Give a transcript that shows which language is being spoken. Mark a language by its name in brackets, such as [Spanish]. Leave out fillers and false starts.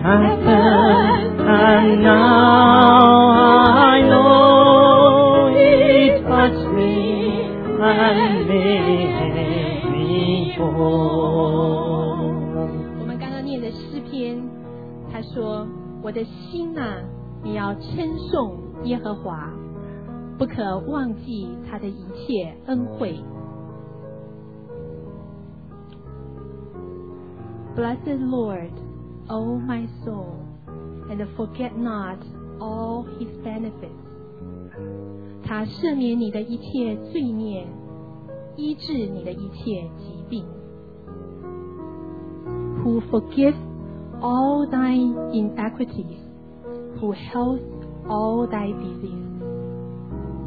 [English] happened, and now I know it touched me and made me whole. [Chinese] 我们刚刚念的诗篇，他说：“我的心啊，你要称颂耶和华。” 不可忘记他的一切恩惠。 [English] Blessed Lord, O my soul, and forget not all his benefits. [Chinese] 他赦免你的一切罪孽，医治你的一切疾病。 [English] Who forgives all thy inequities, who heals all thy diseases.